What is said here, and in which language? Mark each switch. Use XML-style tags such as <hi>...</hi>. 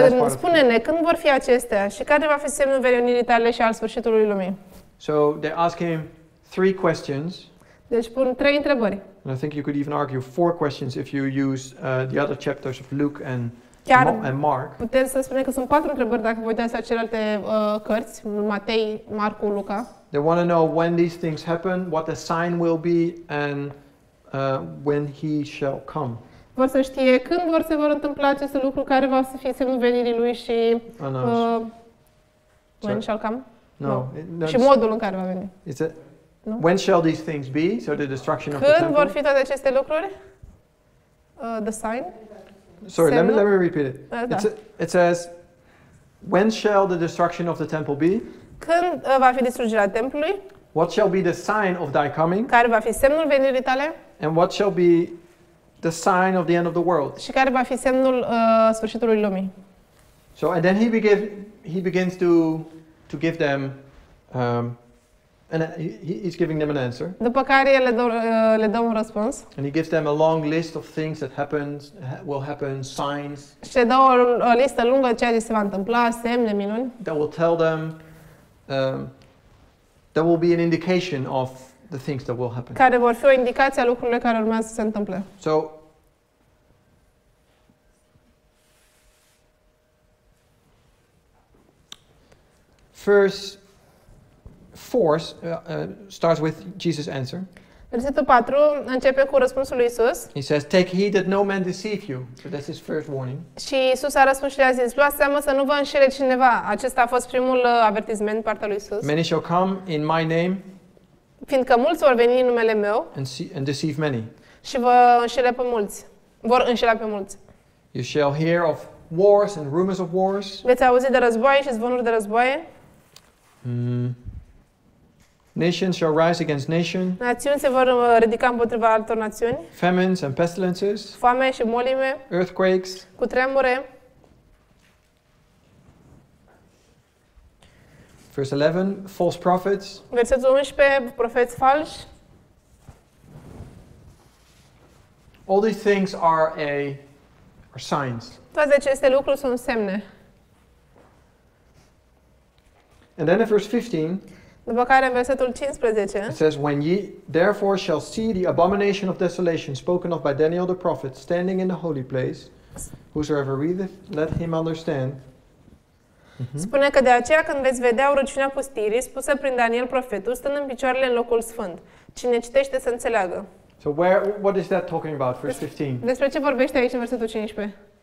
<ro>Spune-ne, când vor fi acestea și care va fi semnul venirii tale și al sfârșitului lumii?</ro> <en>So they ask him three questions.</en> <ro>Deci pun trei întrebări.</ro> <en>And I think you could even argue four questions if you use the other chapters of Luke and Mark.</en> <ro>Putem să spunem că sunt patru întrebări dacă vă uitați la celelalte cărți, Matei, Marcu, Luca.</ro> <en>They want to know when these things happen, what the sign will be and when he shall come.</en> <ro>Vor să știe când vor se vor întâmpla aceste lucruri, care va să fie semnul venirii lui și</ro> <en>when shall come? No.</en> <ro>Și modul în care va veni.</ro> <en>Is it? No. When shall these things be? So the destruction</en> <ro>când</ro> <en>of the temple.</en> <ro>Când vor fi toate aceste lucruri?</ro> <en>The sign? Sorry, let me repeat it. It says, when shall the destruction of the temple be?</en> <ro>Când va fi distrugerea templului?</ro> <en>What shall be the sign of thy coming?</en> <ro>Care va fi semnul venirii tale?</ro> <en>And what shall be the sign of the end of the world?</en> <ro>Și care va fi semnul sfârșitului lumii?</ro> <en>So and then he begins to give them he's giving them an answer.</en> <ro>După care el le dă un răspuns.</ro> <en>And he gives them a long list of things that will happen, signs.</en> <ro>Și le dă o listă lungă de ceea ce se va întâmpla, semne, minuni.</ro> <en>That will tell them there will be an indication of the things that will happen.</en> <ro>Care vor fi o indicație a lucrurilor care urmează să se întâmple.</ro> <en>So first fourth starts with Jesus' answer.</en> <ro>Versetul 4 începe cu răspunsul lui Isus.</ro> <en>He says, take heed that no man deceive you. So that's his first warning.</en> <ro>Și Isus a răspuns și le-a zis, luați seama să nu vă înșele cineva. Acesta a fost primul avertisment partea lui Isus.</ro> <en>Many shall come in my name.</en> <ro>Fiindcă mulți vor veni în numele meu.</ro> <en>And deceive many.</en> <ro>Și vă înșele pe mulți. Vor înșela pe mulți.</ro> <en>You shall hear of wars and rumors of wars.</en> <ro>Veți auzi de războaie și zvonuri de războaie.</ro> <en>Nations shall rise against nation.</en> <ro>Națiuni se vor ridica împotriva altor națiuni.</ro> <en>Famines and pestilences.</en> <ro>Foame și molime.</ro> <en>Earthquakes.</en> <ro>Cutremure.</ro> <en>Verse 11, false prophets.</en> <ro>Versetul 11, profeți falși.</ro> <en>All these things are signs.</en> <ro>Toate aceste lucruri sunt semne.</ro> <en>And then in verse 15,</en> <ro>după care în versetul 15,</ro> <en>it says, when ye therefore shall see the abomination of desolation spoken of by Daniel the prophet standing in the holy place, whosoever readeth, let him understand. Mm-hmm.</en> <ro>Spune că de aceea când veți vedea urăciunea pustirii spusă prin Daniel profetul stând în picioarele în locul sfânt, cine citește să înțeleagă.</ro> <en>So where, what is that talking about, verse 15?</en> <ro>Despre ce vorbește aici în versetul 15?</ro>